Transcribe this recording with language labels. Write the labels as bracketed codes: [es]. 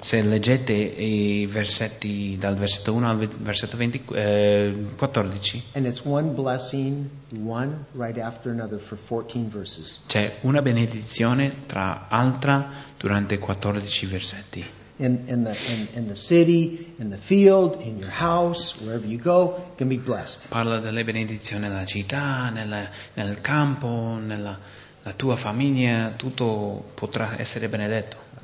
[it] Se leggete i versetti dal versetto 1 al versetto 14. [en] And it's one blessing, one right after another, for 14 verses. [it] C'è una benedizione tra altra durante 14 versetti. [en] In the city, in the field, in your house, wherever you go, you can be blessed. [it] Parla delle benedizioni nella città, nel campo, nella tua famiglia, tutto potrà essere benedetto.